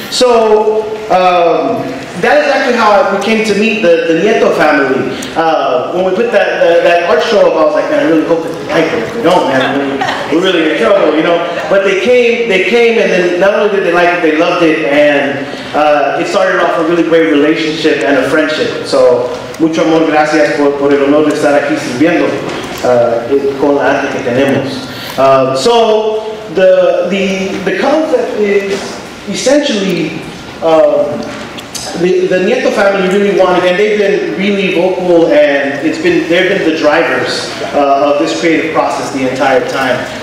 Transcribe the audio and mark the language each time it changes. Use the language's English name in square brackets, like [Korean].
[English] So that is actually how we came to meet the Nieto family. When we put that art show up, I was like, man, I really hope that they like it. They don't, man. We're really in trouble, you know. But they came, and then not only did they like it, they loved it, and it started off a really great relationship and a friendship. [Spanish] So, mucho amor, gracias por el honor de estar aquí sirviendo con la arte que tenemos. [English] So the concept is essentially the Nieto family really wanted, and they've been really vocal, and they've been the drivers of this creative process the entire time.